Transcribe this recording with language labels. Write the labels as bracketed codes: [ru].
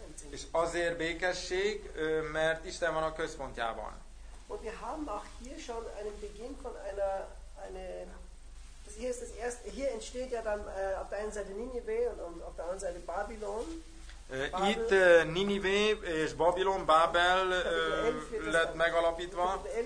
[hu] és azért békesség, mert Isten van a központjában. [de] Und wir haben auch hier schon einen Beginn von einer hier ist das erste, hier entsteht ja dann auf der einen Seite Ninive und auf der anderen Seite Babylon. [hu] Itt Ninive és Babylon, Babel lett megalapítva.